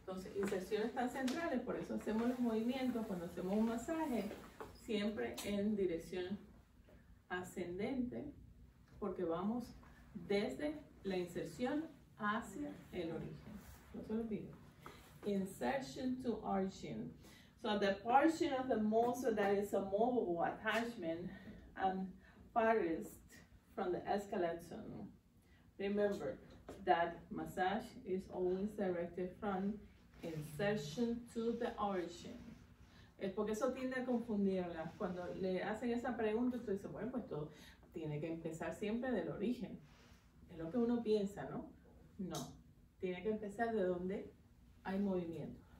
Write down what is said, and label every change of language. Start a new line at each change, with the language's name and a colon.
Spanish: Entonces, inserciones están centrales, por eso hacemos los movimientos cuando hacemos un masaje siempre en dirección ascendente, porque vamos desde la inserción hacia el origen. No se lo olvide.
English: Insertion to origin. So the portion of the muscle that is a movable attachment and farthest from the skeleton. Remember that massage is always directed from insertion to the origin.
Spanish: Es porque eso tiende a confundirla. Cuando le hacen esa pregunta, usted dice, bueno, pues todo tiene que empezar siempre del origen. Es lo que uno piensa, ¿no? No. Tiene que empezar de donde hay movimiento.